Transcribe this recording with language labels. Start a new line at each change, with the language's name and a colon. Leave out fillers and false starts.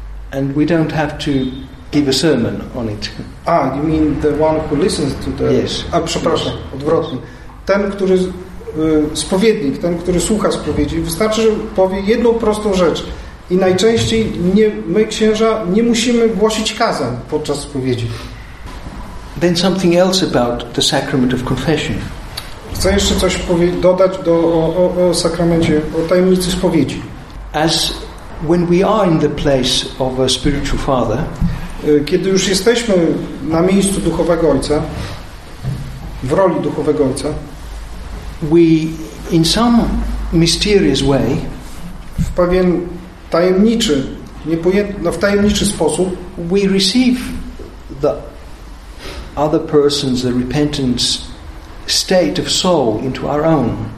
English: And we don't have to give a sermon on it. You mean the one who listens to the... Yes.
Polish: Przepraszam, odwrotnie. Ten, który... spowiednik, ten, który słucha spowiedzi, wystarczy, że powie jedną prostą rzecz. I najczęściej my, księża, nie musimy głosić kazań podczas spowiedzi.
English: Then something else about the sacrament of confession.
Polish: Chcę jeszcze coś dodać o sakramencie, o tajemnicy spowiedzi.
English: As when we are in the place of a spiritual father,
Polish: kiedy już jesteśmy na miejscu duchowego ojca, w roli duchowego ojca,
English: we in some mysterious way,
Polish: w pewien tajemniczy, w tajemniczy sposób,
English: we receive the other person's repentance state of soul into our own.